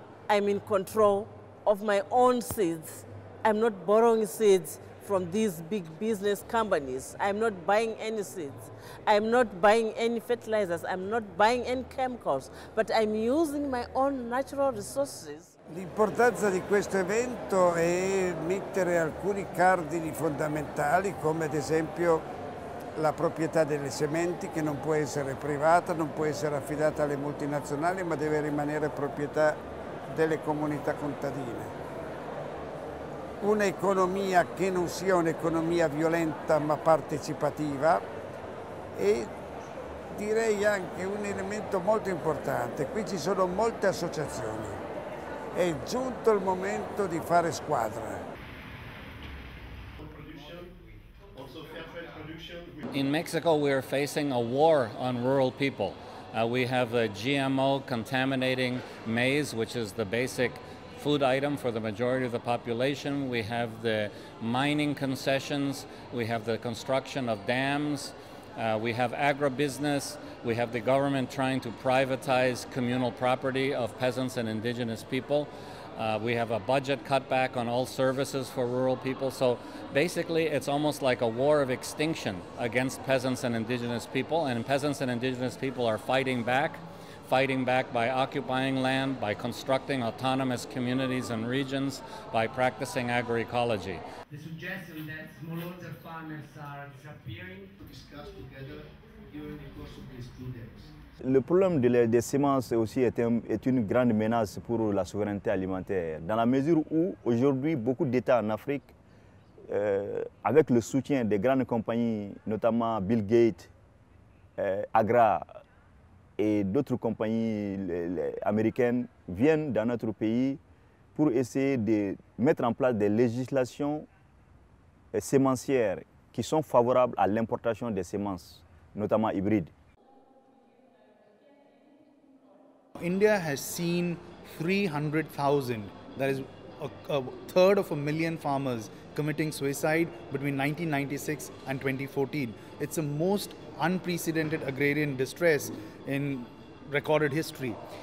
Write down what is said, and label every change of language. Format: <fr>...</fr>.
<en>I'm in control of my own seeds. I'm not borrowing seeds from these big business companies. I'm not buying any seeds. I'm not buying any fertilizers. I'm not buying any chemicals, but I'm using my own natural resources.</en> <it>L'importanza di questo evento è mettere alcuni cardini fondamentali, come ad esempio la proprietà delle sementi, che non può essere privata, non può essere affidata alle multinazionali, ma deve rimanere proprietà delle comunità contadine. Un'economia che non sia un'economia violenta ma partecipativa, e direi anche un elemento molto importante: qui ci sono molte associazioni, è giunto il momento di fare squadra.</it> <en>In Mexico we are facing a war on rural people. We have a GMO contaminating maize, which is the basic food item for the majority of the population. We have the mining concessions, we have the construction of dams, we have agribusiness, we have the government trying to privatize communal property of peasants and indigenous people. We have a budget cutback on all services for rural people. So basically it's almost like a war of extinction against peasants and indigenous people, and peasants and indigenous people are fighting back by occupying land, by constructing autonomous communities and regions, by practicing agroecology. The suggestion that smallholder farmers are disappearing to discuss together during the course of the students.</en> <fr>Le problème des semences aussi est une grande menace pour la souveraineté alimentaire, dans la mesure où aujourd'hui beaucoup d'États en Afrique, avec le soutien des grandes compagnies, notamment Bill Gates, Agra et d'autres compagnies américaines, viennent dans notre pays pour essayer de mettre en place des législations semencières qui sont favorables à l'importation des semences, notamment hybrides.</fr> <en>India has seen 300,000, that is a third of a million farmers, committing suicide between 1996 and 2014. It's the most unprecedented agrarian distress in recorded history.</en>